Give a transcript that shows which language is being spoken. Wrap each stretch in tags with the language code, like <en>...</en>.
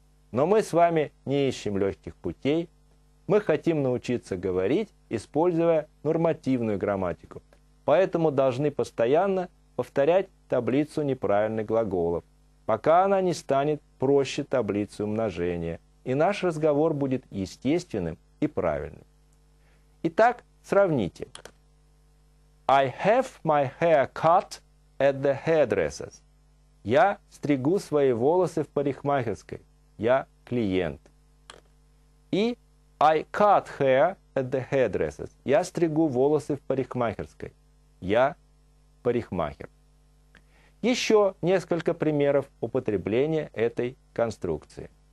<ru>Но мы с вами не ищем легких путей. Мы хотим научиться говорить, используя нормативную грамматику. Поэтому должны постоянно повторять таблицу неправильных глаголов, пока она не станет проще таблицы умножения, и наш разговор будет естественным и правильным. Итак, сравните.</ru> <en>I have my hair cut at the hairdresser's.</en> <ru>Я стригу свои волосы в парикмахерской. Я клиент. И</ru> <en>I cut hair at the hairdresser's.</en> <ru>Я стригу волосы в парикмахерской. Я парикмахер. Еще несколько примеров употребления этой конструкции.</ru>